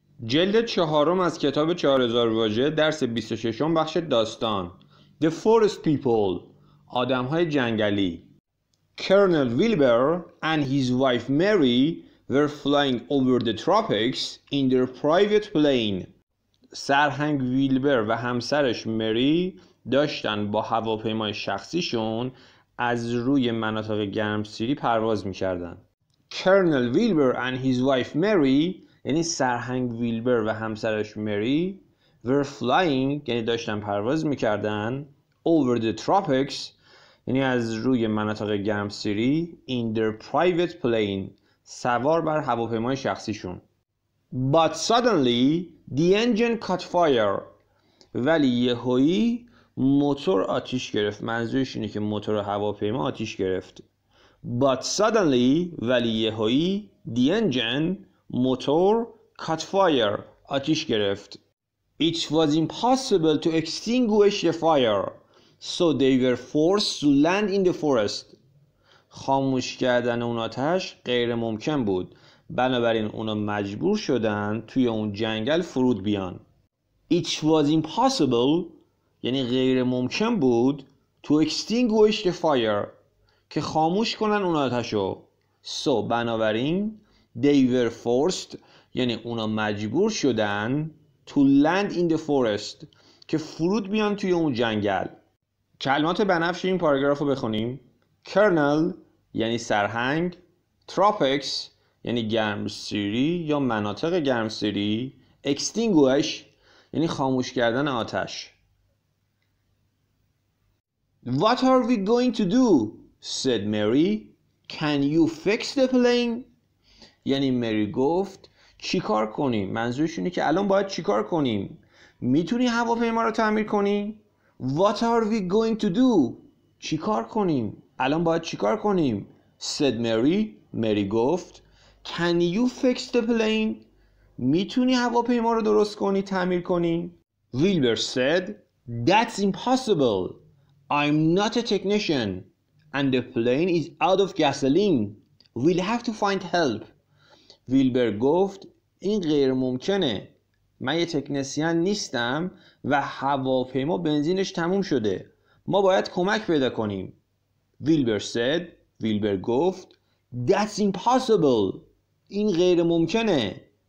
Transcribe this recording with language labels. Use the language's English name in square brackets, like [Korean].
[Persian] جلد چهارم از کتاب 4000 واژه، درس 26، بخش داستان. [English] The Forest People، [Persian] آدم‌های جنگلی. [English] Colonel Wilbur and his wife Mary were flying over the tropics in their private plane. [Persian] سرهنگ ویلبر و همسرش مری داشتن با هواپیمای شخصیشون از روی مناطق گرمسیری پرواز می‌کردن. [English] Colonel Wilbur and his wife Mary، [Persian] یعنی سرهنگ ویلبر و همسرش مری، [English] were flying، [Persian] یعنی داشتن پرواز میکردن، [English] over the tropics، [Persian] یعنی از روی مناطق گرمسیری، [English] in their private plane، [Persian] سوار بر هواپیمای شخصیشون. [English] But suddenly the engine caught fire، [Persian] ولی یهویی موتور آتیش گرفت. منظورش اینه که موتور هواپیما آتیش گرفت. [English] But suddenly، [Persian] ولی یهویی [English] the engine، [Persian] موتور، [English] cut fire، [Persian] آتش گرفت. [English] It was impossible to extinguish the fire، so they were forced to land in the forest. [Persian] خاموش کردن اون آتش غیر ممکن بود، بنابراین اونا مجبور شدن توی اون جنگل فرود بیان. [English] It was impossible، [Persian] یعنی غیر ممکن بود، [English] to extinguish the fire، [Persian] که خاموش کنن اون آتشو. [English] So [Persian] بنابراین [English] they were forced، [Persian] یعنی اونا مجبور شدن، [English] to land in the forest، [Persian] که فرود بیان توی اون جنگل. کلمات بنفش این پاراگراف رو بخونیم. Colonel یعنی سرهنگ، tropics یعنی گرمسیری یا مناطق گرمسیری، extinguish یعنی خاموش کردن آتش. [English] What are we going to do؟ said Mary. Can you fix the plane؟ [Persian] یعنی مری گفت چی کار کنیم؟ منظورش اینه که الان باید چی کار کنیم؟ میتونی هواپیما رو تعمیر کنی؟ [English] What are we going to do؟ [Persian] چی کار کنیم؟ الان باید چی کار کنیم؟ [English] said Mary. [Persian] مری گفت [English] Can you fix the plane؟ [Persian] میتونی هواپیما رو درست کنی، تعمیر کنی؟ [English] Wilbur said That's impossible. I'm not a technician and the plane is out of gasoline. We'll have to find help. [Persian] ویلبر گفت این غیر ممکنه، من یه تکنسیان نیستم و هواپیما بنزینش تموم شده، ما باید کمک پیدا کنیم. ویلبر سد، ویلبر گفت [English] That's impossible، [Persian] این غیر ممکنه.